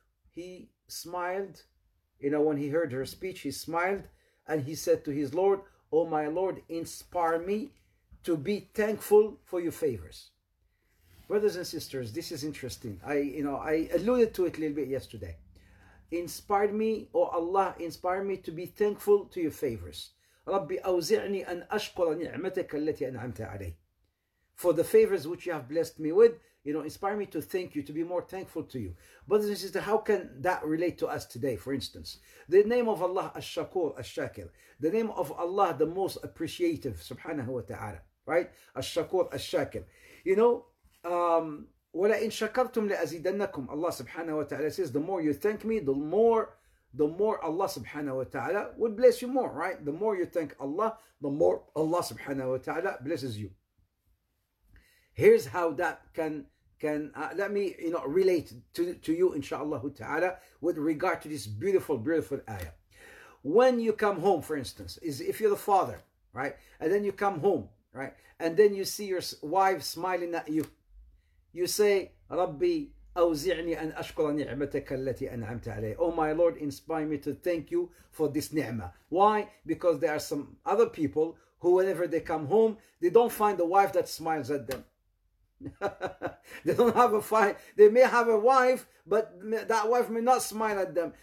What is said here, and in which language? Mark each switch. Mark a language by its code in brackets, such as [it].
[en] He smiled, you know, when he heard her speech, he smiled and he said to his Lord, "Oh my Lord, inspire me to be thankful for your favors." Brothers and sisters, this is interesting. I alluded to it a little bit yesterday. Inspired me, oh Allah, inspire me to be thankful to your favors. [ar] رَبِّ أَوْزِعْنِي أَنْ أَشْكُرَ نِعْمَتَكَ الَّتِي أَنْعَمْتَ عَلَيْهِ. [en] For the favors which you have blessed me with, you know, inspire me to thank you, to be more thankful to you. Brothers and sisters, how can that relate to us today, for instance? The name of Allah, الشَّكُور, الشَّاكِر. The name of Allah, the most appreciative, subhanahu wa ta'ala. Right? [ar] الشَّكُور, الشَّاكِر. You know, وَلَئِنْ شَكَرْتُمْ لَأَزِيدَنَّكُمْ. [en] Allah subhanahu wa ta'ala says, the more you thank me, the more Allah subhanahu wa ta'ala would bless you more, right? The more you thank Allah, the more Allah subhanahu wa ta'ala blesses you. Here's how that can relate to you, inshaAllah ta'ala, with regard to this beautiful, beautiful ayah. When you come home, for instance, is if you're the father, right? And then you come home, right? And then you see your wife smiling at you. You say, [ar] Rabbi, أوزعني أن أشكر نعمتك التي أنعمت علي. [en] Oh my Lord, inspire me to thank you for this ni'mah. Why? Because there are some other people who whenever they come home, they don't find a wife that smiles at them. They don't have a fight. They may have a wife, but that wife may not smile at them.